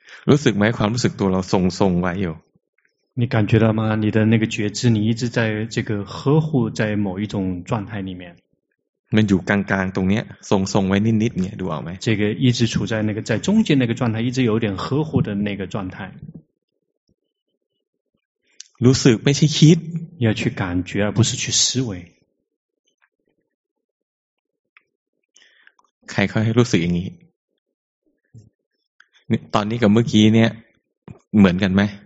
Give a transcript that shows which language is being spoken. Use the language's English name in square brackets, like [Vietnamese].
[Thai] รู้สึกไหมความรู้สึกตัวเราทรงๆไว้อยู่ [Chinese] 你感觉到吗你的那个觉知你一直在这个呵护在某一种状态里面 [Thai] มันอยู่กลางๆตรงเนี้ยส่งๆไว้นิดๆเนี่ยดูออกมั้ย [Chinese] 这个一直处在那个在中间那个状态一直有点呵护的那个状态 [Thai] รู้สึกไม่ใช่คิด [Chinese] 要去感觉而不是去思维 [Thai] ใครค่อยให้รู้สึกอย่างนี้ตอนนี้กับเมื่อกี้เนี่ยเหมือนกันไหม